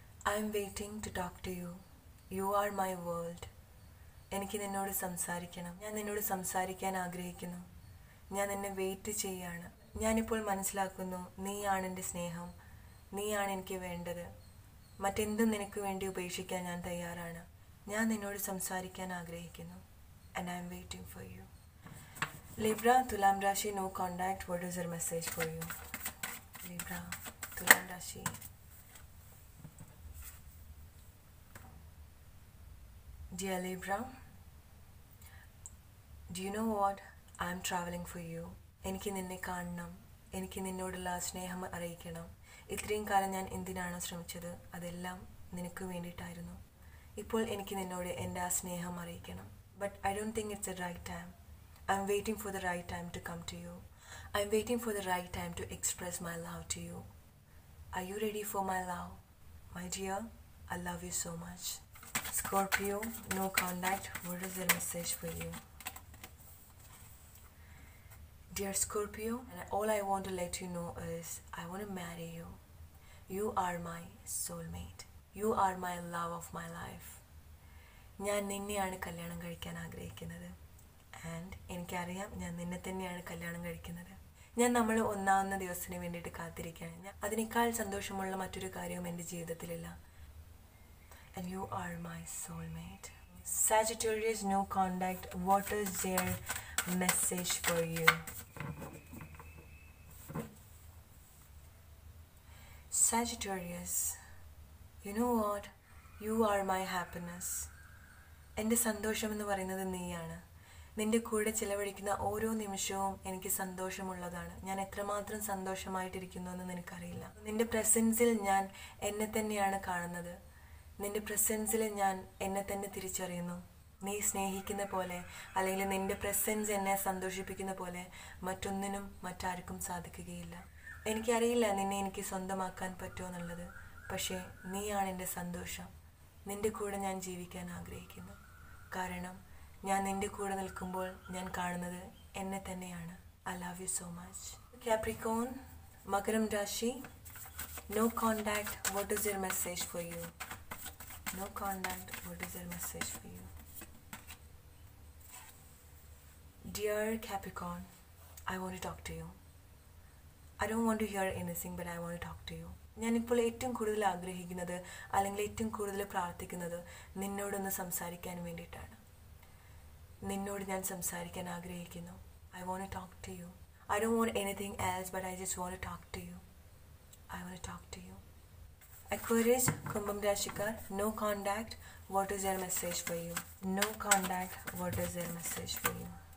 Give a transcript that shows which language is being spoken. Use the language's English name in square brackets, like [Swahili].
[English] I am waiting to talk to you. You are my world. [Malayalam] എനിക്ക് നിന്നോട് സംസാരിക്കണം. ഞാൻ നിന്നോട് സംസാരിക്കാൻ ആഗ്രഹിക്കുന്നു. ഞാൻ നിന്നെ വെയിറ്റ് ചെയ്യുകയാണ്. ഞാനിപ്പോൾ മനസ്സിലാക്കുന്നു, നീയാണ് എൻ്റെ സ്നേഹം, നീയാണ് എനിക്ക് വേണ്ടത്. മറ്റെന്തും നിനക്ക് വേണ്ടി ഉപേക്ഷിക്കാൻ ഞാൻ തയ്യാറാണ്. ഞാൻ നിന്നോട് സംസാരിക്കാൻ ആഗ്രഹിക്കുന്നു. [English] And I am waiting for you. Libra തുലാം രാശി, no contact, what is your message for you? [Malayalam] Libra തുലാം രാശി, [English] Dear Libra, do you know what? I'm traveling for you. [Malayalam] എനിക്ക് നിന്നെ കാണണം, എനിക്ക് നിന്നോടുള്ള സ്നേഹം അറിയിക്കണം. ഇത്രയും കാലം ഞാൻ എന്തിനാണ് ശ്രമിച്ചത്? അതെല്ലാം നിനക്ക് വേണ്ടിയിട്ടായിരുന്നു. ഇപ്പോൾ എനിക്ക് നിന്നോട് എൻ്റെ ആ സ്നേഹം അറിയിക്കണം. [English] But I don't think it's a right time. I am waiting for the right time to come to you. I am waiting for the right time to express my love to you. Are you ready for my love? My dear, I love you so much. Scorpio, no contact. What is the message for you? Dear Scorpio, and all I want to let you know is I want to marry you. You are my soulmate. You are my love of my life. [Malayalam] ഞാൻ നിന്നെയാണ് കല്യാണം കഴിക്കാൻ ആഗ്രഹിക്കുന്നത്. And എനിക്കറിയാം ഞാൻ നിന്നെ തന്നെയാണ് കല്യാണം കഴിക്കുന്നത്. ഞാൻ നമ്മൾ ഒന്നാവുന്ന ദിവസത്തിന് വേണ്ടിയിട്ട് കാത്തിരിക്കുകയാണ്. അതിനേക്കാൾ സന്തോഷമുള്ള മറ്റൊരു കാര്യവും എൻ്റെ ജീവിതത്തിലില്ല. [English] And you are my soulmate. Sagittarius, no contact. What is their message for you? Sagittarius, you know what? You are my happiness. [Malayalam] എൻ്റെ സന്തോഷം എന്ന് പറയുന്നത് നീയാണ്. നിന്റെ കൂടെ ചിലവഴിക്കുന്ന ഓരോ നിമിഷവും എനിക്ക് സന്തോഷമുള്ളതാണ്. ഞാൻ എത്രമാത്രം സന്തോഷമായിട്ടിരിക്കുന്നു എന്ന് നിനക്കറിയില്ല. നിന്റെ പ്രസൻസിൽ ഞാൻ എന്നെ തന്നെയാണ് കാണുന്നത്. നിന്റെ പ്രസൻസിൽ ഞാൻ എന്നെ തന്നെ തിരിച്ചറിയുന്നു. നീ സ്നേഹിക്കുന്ന പോലെ, അല്ലെങ്കിൽ നിന്റെ പ്രസൻസ് എന്നെ സന്തോഷിപ്പിക്കുന്ന പോലെ മറ്റൊന്നിനും മറ്റാർക്കും സാധിക്കുകയില്ല. എനിക്കറിയില്ല നിന്നെ എനിക്ക് സ്വന്തമാക്കാൻ പറ്റുമെന്നുള്ളത്. പക്ഷേ നീയാണ് എൻ്റെ സന്തോഷം. നിന്റെ കൂടെ ഞാൻ ജീവിക്കാൻ ആഗ്രഹിക്കുന്നു. കാരണം ഞാൻ നിന്റെ കൂടെ നിൽക്കുമ്പോൾ ഞാൻ കാണുന്നത് എന്നെ തന്നെയാണ്. [English] I love you so much. Capricorn, മകരം രാശി, no contact. What is your message for you? No contact. What is their message for you? Dear Capricorn, I want to talk to you. I don't want to hear anything, but I want to talk to you. [Malayalam] ഞാനിപ്പോൾ ഏറ്റവും കൂടുതൽ ആഗ്രഹിക്കുന്നത്, അല്ലെങ്കിൽ ഏറ്റവും കൂടുതൽ പ്രാർത്ഥിക്കുന്നത് നിന്നോടൊന്ന് സംസാരിക്കാൻ വേണ്ടിയിട്ടാണ്. നിന്നോട് ഞാൻ സംസാരിക്കാൻ ആഗ്രഹിക്കുന്നു. [English] I want to talk to you. I don't want anything else, but I just want to talk to you. I want to talk to you. Aquarius, Kumbham Rashikar, no contact. What is their message for you? No contact. What is their message for you?